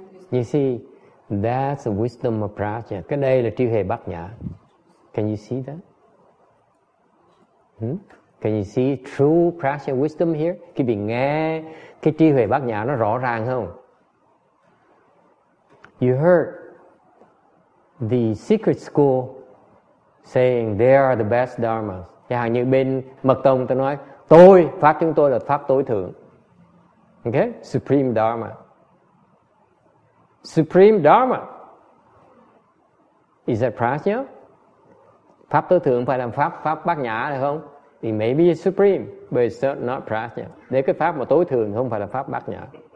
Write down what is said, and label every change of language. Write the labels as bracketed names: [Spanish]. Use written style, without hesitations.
[English] You see, that's the wisdom of prajna. [Vietnamese] Cái đây là trí huệ bát nhã. [English] Can you see that? Can you see true prajna wisdom here? [Vietnamese] Khi bị nghe cái trí huệ bát nhã nó rõ ràng không? [English] You heard the secret school saying they are the best dharmas. [Vietnamese] Chẳng hạn như bên mật tông ta nói tôi, pháp chúng tôi là pháp tối thượng. [English] Okay? Supreme Dharma. Supreme Dharma. Is that prajna? [Vietnamese] Pháp tối thượng phải là pháp bát nhã được không? [English] Thì maybe it's supreme, but it's not prajna. [Vietnamese] Nếu cái pháp mà tối thượng không phải là pháp bát nhã.